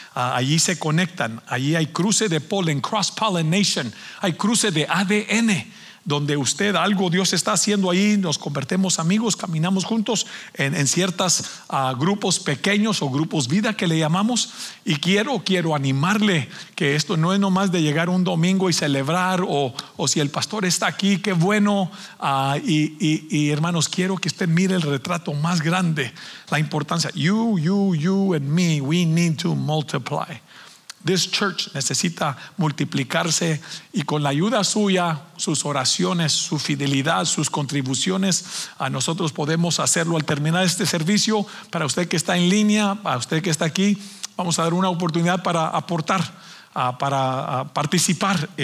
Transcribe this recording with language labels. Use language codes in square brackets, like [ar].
[es] Allí se conectan, allí hay cruce de polen, [en] cross pollination, [es] hay cruce de ADN, donde usted algo Dios está haciendo ahí, nos convertimos amigos, caminamos juntos en ciertos grupos pequeños o grupos vida que le llamamos. Y quiero animarle que esto no es nomás de llegar un domingo y celebrar, o si el pastor está aquí, qué bueno. Y hermanos, quiero que usted mire el retrato más grande, la importancia. [en] You and me, we need to multiply. This church [es] necesita multiplicarse, y con la ayuda suya, sus oraciones, su fidelidad, sus contribuciones, a nosotros podemos hacerlo al terminar este servicio. Para usted que está en línea, a usted que está aquí, vamos a dar una oportunidad para aportar, para participar.